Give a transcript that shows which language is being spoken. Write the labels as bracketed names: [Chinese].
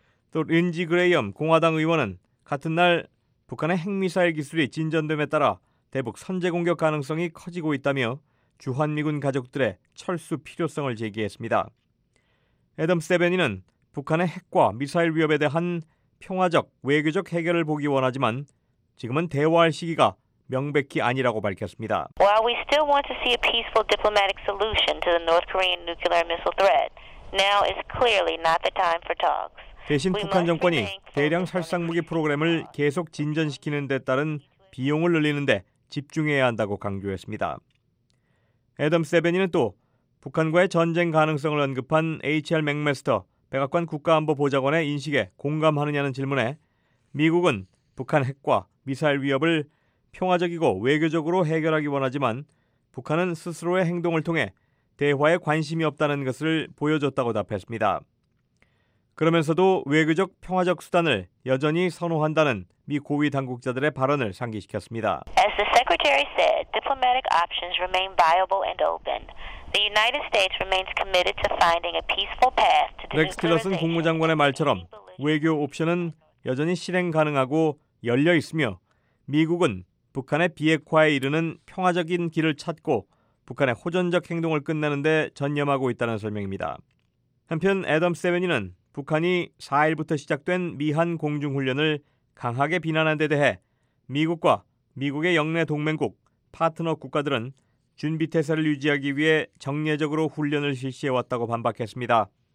[Korean] 또 린지 그레이엄 공화당 의원은 같은 날 북한의 핵미사일 기술이 진전됨에 따라 대북 선제 공격 가능성이 커지고 있다며 주한미군 가족들의 철수 필요성을 제기했습니다. 애덤 세베니는 북한의 핵과 미사일 위협에 대한 평화적 외교적 해결을 보기 원하지만 지금은 대화할 시기가 명백히 아니라고 밝혔습니다. [English] While we still want to see a peaceful diplomatic solution to the North Korean nuclear missile threat, now is clearly not the time for talks. [Korean] 대신 북한 정권이 대량 살상무기 프로그램을 계속 진전시키는 데 따른 비용을 늘리는 데 집중해야 한다고 강조했습니다. 애덤 세베니는 또 북한과의 전쟁 가능성을 언급한 HR 맥메스터 백악관 국가안보보좌관의 인식에 공감하느냐는 질문에 미국은 북한 핵과 미사일 위협을 평화적이고 외교적으로 해결하기 원하지만 북한은 스스로의 행동을 통해 대화에 관심이 없다는 것을 보여줬다고 답했습니다. 그러면서도 외교적 평화적 수단을 여전히 선호한다는 미 고위 당국자들의 발언을 상기시켰습니다. [English] As the secretary said, diplomatic options remain viable and open. The United States remains committed to finding a peaceful path to the. [Korean] 렉스 틸러슨 국무장관의 말처럼 외교 옵션은 여전히 실행 가능하고 열려 있으며 미국은 북한의 비핵화에 이르는 평화적인 길을 찾고 북한의 호전적 행동을 끝내는 데 전념하고 있다는 설명입니다. 한편 애덤 세베니는 북한이 4일부터 시작된 미한 공중훈련을 강하게 비난한 데 대해 미국과 미국의 영내 동맹국, 파트너 국가들은 준비태세를 유지하기 위해 정례적으로 훈련을 실시해왔다고 반박했습니다.